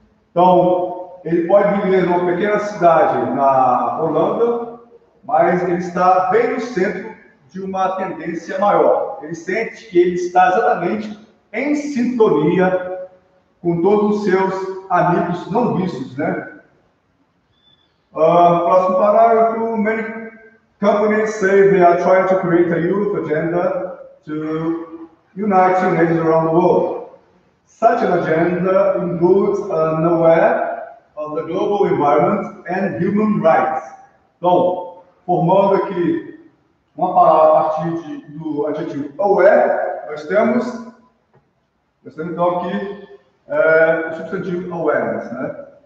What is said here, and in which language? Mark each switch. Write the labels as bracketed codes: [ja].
[en] Então, ele pode viver numa pequena cidade na Holanda, mas ele está bem no centro de uma tendência maior. Ele sente que ele está exatamente em sintonia com todos os seus amigos não vistos, né? Próximo parágrafo, many companies say they are trying to create a youth agenda to unite teenagers around the world. Such an agenda includes an aware of the global environment and human rights. [pt] Então, formando aqui uma palavra a partir do adjetivo aware, nós temos então aqui o substantivo awareness, né?